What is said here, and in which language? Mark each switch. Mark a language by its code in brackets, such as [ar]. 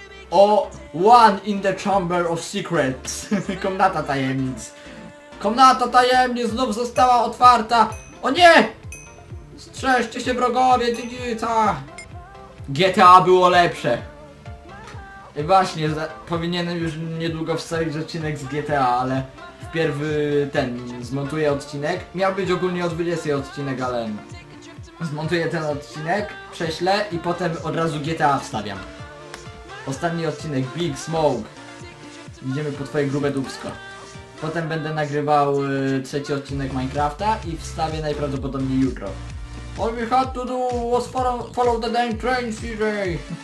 [en] O, one in the chamber of secrets. [pl] Komnata tajemnic. Komnata tajemnic znów została otwarta. O nie! Strzeżcie się, wrogowie, dziedzica! GTA było lepsze. I właśnie, powinienem już niedługo wstawić odcinek z GTA, ale wpierw ten zmontuję odcinek. Miał być ogólnie o 20 odcinek, ale zmontuję ten odcinek, prześlę i potem od razu GTA wstawiam. Ostatni odcinek, Big Smoke. Idziemy po twoje grube dupsko. Potem będę nagrywał trzeci odcinek Minecrafta i wstawię najprawdopodobniej jutro. [en] All we had to do was follow the damn train, CJ.